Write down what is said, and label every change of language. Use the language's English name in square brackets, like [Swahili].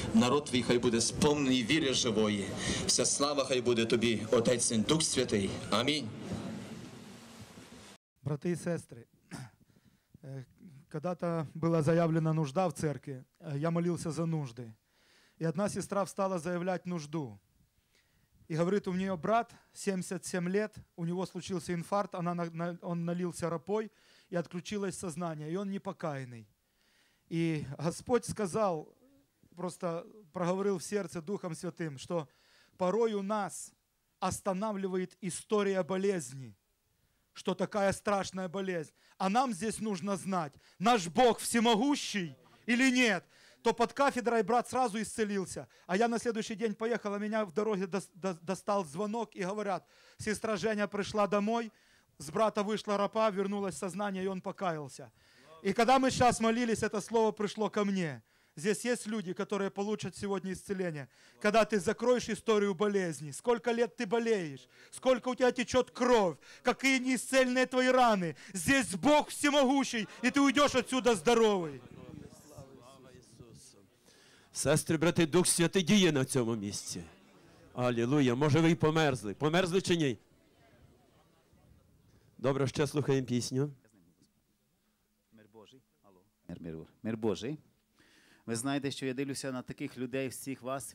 [Ukrainian] Народ Твій хай буде сповнений віри живої. Вся слава хай буде Тобі, Отець, Син, Дух Святий. Амінь. Брати і сестри, когда-то була заявлена нужда в церкві, я молився за нужди. І одна сестра встала заявляти нужду. [Russian] И говорит, у нее брат, 77 лет, у него случился инфаркт, он налился рапой и отключилось сознание, и он непокаянный. И Господь сказал, просто проговорил в сердце Духом Святым, что порой у нас останавливает история болезни, что такая страшная болезнь. А нам здесь нужно знать, наш Бог всемогущий или нет. То под кафедрой брат сразу исцелился. А я на следующий день поехал, а меня в дороге достал звонок, и говорят, сестра Женя пришла домой, с брата вышла рапа, вернулось сознание, и он покаялся. И когда мы сейчас молились, это слово пришло ко мне. Здесь есть люди, которые получат сегодня исцеление. Когда ты закроешь историю болезни, сколько лет ты болеешь, сколько у тебя течет кровь, какие неисцельные твои раны. Здесь Бог всемогущий, и ты уйдешь отсюда здоровый. [Ukrainian] Сестри, брати, Дух Святий діє на цьому місці. Алілуя. Може, ви й померзли. Померзли чи ні? Добре, ще слухаємо пісню. Мир Божий. Алло. Мир Божий. Ви знаєте, що я дивлюся на таких людей, всіх вас.